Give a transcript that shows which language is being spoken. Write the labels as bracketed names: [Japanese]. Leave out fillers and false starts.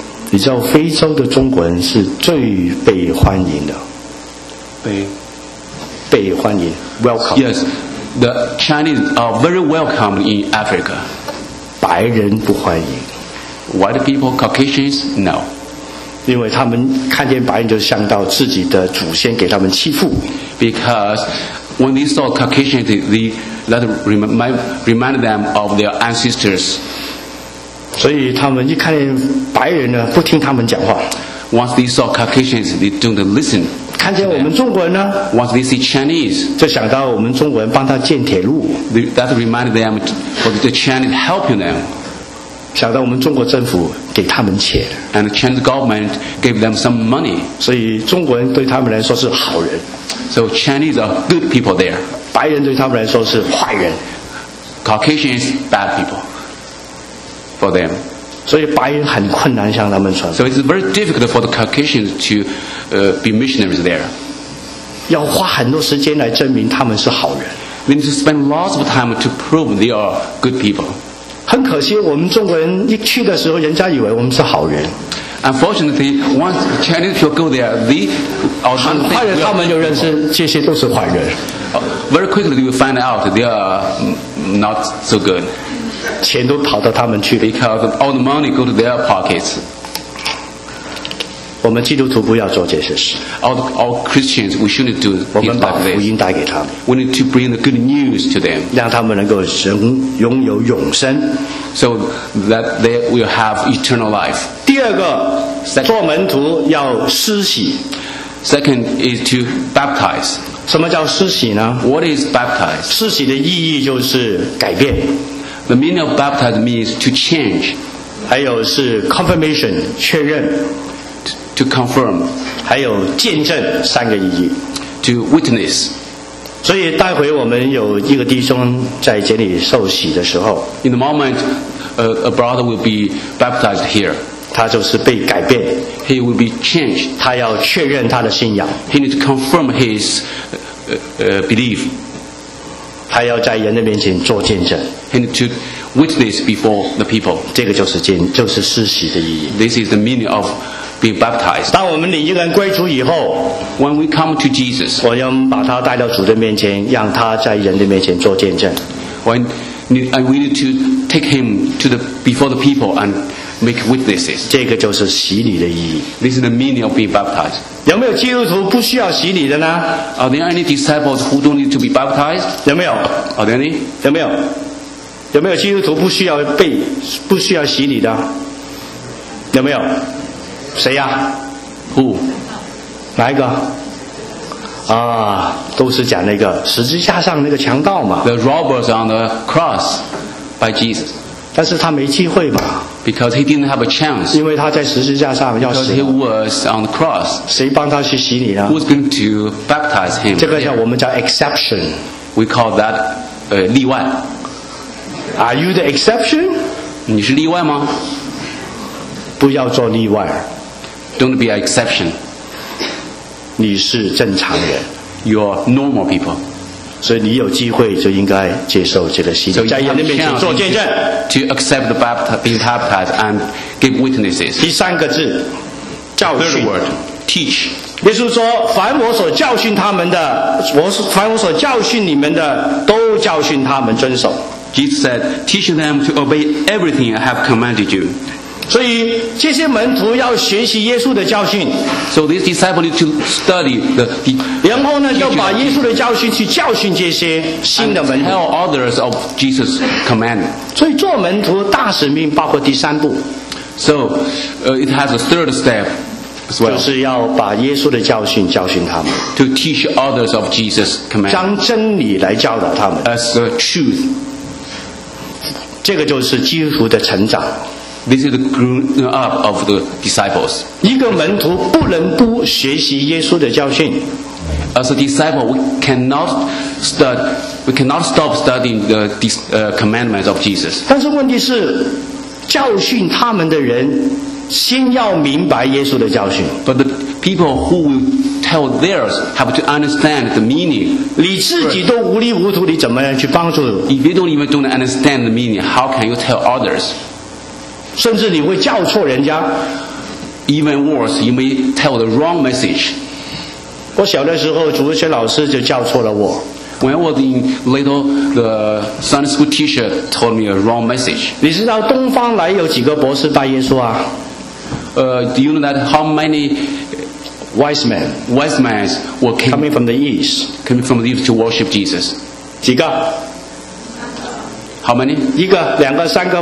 [Chinese] 你知道非洲的中国人是最被欢迎的，被欢迎 ，welcome。 [English] Yes, the Chinese are very welcome in Africa. [Chinese] 白人不欢迎， [English] white people, Caucasians, no. [Chinese] 因为他们看见白人就想到自己的祖先给他们欺负。 [English] Because when they saw Caucasians, they remind them of their ancestors. [Chinese] 所以他们一看见白人呢，不听他们讲话。 [English] Once they saw Caucasians, they don't listen. [Chinese] 看见我们中国人呢 [English] ？Once they see Chinese, [Chinese] 就想到我们中国人帮他建铁路。 [English] That reminded them of the Chinese helping them. [Chinese] 想到我们中国政府给他们钱。 [English] And the Chinese government gave them some money. [Chinese] 所以中国人对他们来说是好人。 [English] So Chinese are good people there. [Chinese] 白人对他们来说是坏人。 [English] Caucasians bad people. For them. [Chinese] 所以白人很困难向他们传。 [English] So it's very difficult for the Caucasians to be missionaries there. [Chinese] 要花很多时间来证明他们是好人。 [English] We need to spend lots of time to prove they are good people. [Chinese] 很可惜，我们中国人一去的时候，人家以为我们是好人。 [English] Unfortunately, once Chinese people go there, they are not good people. [Chinese] 他们就认识这些都是坏人。 [English] Very quickly, you find out they are not so good. [Chinese] 钱都跑到他们去 [English] 了 Because all the money go to their pockets. [Chinese] 我们基督徒不要做这些事 [English] All Christians, we shouldn't do this. [Chinese] 我们把福音带给他们 [English] We need to bring the good news to them. [Chinese] 让他们能够拥有永生 [English] So that they will have eternal life. [Chinese] 第二个 Second, 做门徒要施洗 [English] Second is to baptize. [Chinese] 什么叫施洗呢 [English] What is baptize? [Chinese] 施洗的意义就是改变 [English] The meaning of baptize means to change. [Chinese] 还有是 confirmation, 确认 [English] To confirm. [Chinese] 还有见证三个意义 [English] To witness. [Chinese] 所以待会我们有一个弟兄在这里受洗的时候 [English] In the moment, a brother will be baptized here. [Chinese] 他就是被改变 [English] He will be changed. [Chinese] 他要确认他的信仰 [English] He needs to confirm his belief. [Chinese] 他要在人的面前做见证 [English] He needs to witness before the people [Chinese] 这个就是施洗的意义 [English] This is the meaning of being baptized [Chinese] 当我们领一个人归主以后 [English] When we come to Jesus [Chinese] 我要把他带到主的面前让他在人的面前做见证 [English] When we need to take him to the before the people and make witnesses. [Chinese] 这个就是洗礼的意义。 [English] This is the meaning of being baptized. [Chinese] 有没有基督徒不需要洗礼的呢？ [English] Are there any disciples who don't need to be baptized? [Chinese] 有没有？ [English] Are there any? [Chinese] 有没有？有没有基督徒不需要被不需要洗礼的？有没有？谁呀？ [English] Who? [Chinese] 哪一个？啊，都是讲那个十字架上那个强盗嘛。 [English] The robbers on the cross by Jesus. [Chinese] 但是他没机会嘛。 [English] Because he didn't have a chance. [Chinese] 因为他在十字架上要死。 [English] Because he was on the cross. [Chinese] 谁帮他去洗礼呢？ [English] Who's going to baptize him? [Chinese] 这个叫我们叫 exception. [English] We call that 例外。 Are you the exception? [Chinese] 你是例外吗？不要做例外。 [English] Don't be an exception. [Chinese] 你是正常人。 [English] You are normal people. [Chinese] 所以你有机会就应该接受这个洗礼。 [English] So、 [Chinese] 在人的面前做见证。 [English] To accept the baptized, being baptized and give witnesses. [Chinese] 第三个字，教训。 [English] Third word, teach. [Chinese] 耶稣说，凡我所教训他们的，凡我所教训你们的，都教训他们遵守。 [English] Jesus said, teach them to obey everything I have commanded you. [Chinese] 所以这些门徒要学习耶稣的教训。 [English] So these disciples need to study the. [Chinese] 然后呢，要把耶稣的教训去教训这些新的门徒。 [English] And tell others of Jesus' command. [Chinese] 所以做门徒大使命包括第三步。 [English] So, it has a third step. As well. [Chinese] 就是要把耶稣的教训教训他们。 [English] To teach others of Jesus' command. [Chinese] 将真理来教导他们。 [English] As the truth. [Chinese] 这个就是基督徒的成长。 [English] This is the growing up of the disciples. [Chinese] 一个门徒不能不学习耶稣的教训。 [English] As a disciple, we cannot stop studying the commandments of Jesus. [Chinese] 但是问题是，教训他们的人先要明白耶稣的教训。 [English] But the people who will tell theirs have to understand the meaning. [Chinese] 你自己都糊里糊涂，你怎么去帮助 [English] ？If you don't even don't understand the meaning, how can you tell others? [Chinese] 甚至你会叫错人家。 [English] Even worse, you may tell the wrong message. [Chinese] 我小的时候，主日学老师就叫错了我。 [English] When I was in little, the Sunday school teacher told me a wrong message. [Chinese] 你知道东方来有几个博士拜耶稣啊？ [English] Do you know that how many wise men were coming from the east? Coming from the east to worship Jesus. [Chinese] 几个 [English] ？How many？ [Chinese] 一个、两个、三个、